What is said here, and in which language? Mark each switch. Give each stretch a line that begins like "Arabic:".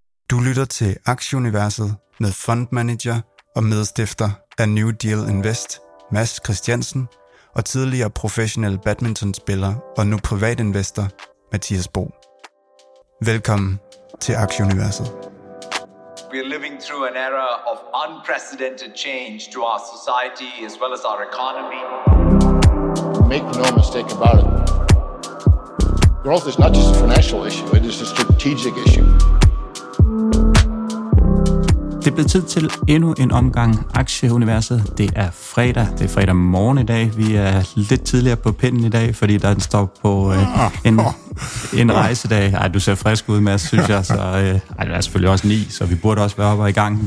Danish: Du lytter til Aktieuniverset med fundmanager og medstifter af New Deal Invest, Mads Christiansen, og tidligere professionel badmintonspiller og nu privatinvestor, Mathias Bo. Velkommen til Aktieuniverset.
English: We are living through an era of unprecedented change to our society as well as our economy. Make no mistake about it. Growth is not just a financial issue, it is a strategic issue.
Danish: Det bliver tid til endnu en omgang Aktieuniverset. Det er fredag. Det er fredag morgen i dag. Vi er lidt tidligere på pinden i dag, fordi der er en stop på en rejsedag. Ej, du ser frisk ud, Mads, synes jeg. Så, ej, det er selvfølgelig også 9, så vi burde også være oppe i gang.